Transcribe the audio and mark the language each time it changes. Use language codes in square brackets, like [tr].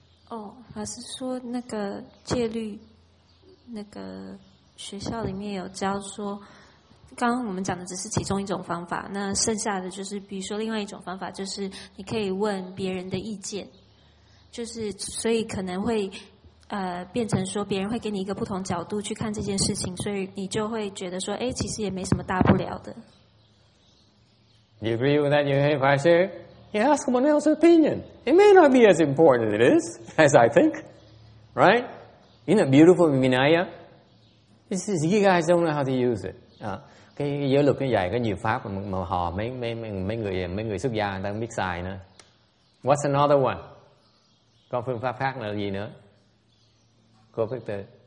[zh] Oh, Pastor说, 那个戒律, 那个学校里面有教说, 刚刚我们讲的只是其中一种方法，那剩下的就是，比如说另外一种方法，就是你可以问别人的意见，就是所以可能会变成说别人会给你一个不同角度去看这件事情，所以你就会觉得说，哎，其实也没什么大不了的。 [en] Do you agree with that, you hear, Pastor? You ask someone else's opinion. It may not be as important as it is, as I think. Right? Isn't it beautiful, Vinaya? This is, you guys don't know how to use it. [vi] Cái giới luật nó dạy có nhiều pháp mà họ mấy người xuất gia người ta không biết xài nữa. [en] What's another one? [vi] Có phương pháp khác là gì nữa? Cô Phước Từ.